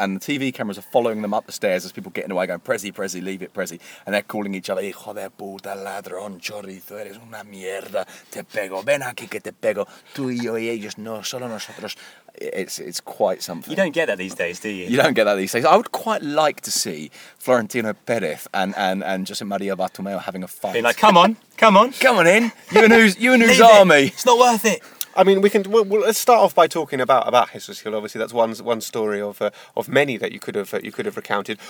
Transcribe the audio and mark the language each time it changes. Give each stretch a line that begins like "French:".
English: And the TV cameras are following them up the stairs as people getting away going, Prezi, Prezi, leave it, Prezi.
Spanish: And they're calling each other, hijo de puta, ladrón, chorizo, eres una mierda, te pego, ven aquí que te pego, tú y yo y ellos, no, solo nosotros.
English: It's quite something. You don't get that these days, do you? You don't get that these days. I would quite like to see Florentino Perez and Jose Maria Bartomeu having a fight. Be like, come on, come on. Come on in, you and whose army. It's not worth it. I mean, let's start off by talking about Jesus Hill. Obviously, that's one story of many that you could have recounted.